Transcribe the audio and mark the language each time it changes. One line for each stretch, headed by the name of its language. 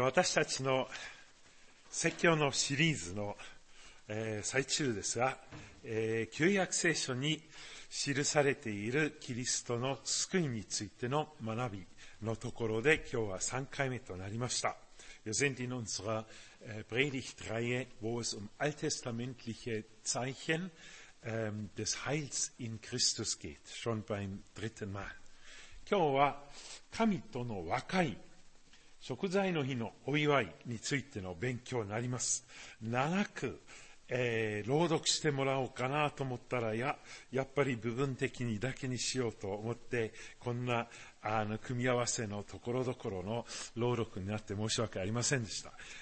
Japanese: 私たちの説教のシリーズの、最中ですが、旧約聖書に記されているキリストの救いについての学びのところで今日は3回目となりました。
German: Wir sind in unserer Predigtreihe, wo es alttestamentliche Zeichen des Heils in Christus geht, schon beim dritten Mal.
Japanese: 今日は神との和解、食材の日のお祝いについての勉強になります。長く、朗読してもらおうかなと思ったら、やっぱり部分的にだけにしようと思って、こんな組み合わせのところどころの朗読になって申し訳ありませんでした。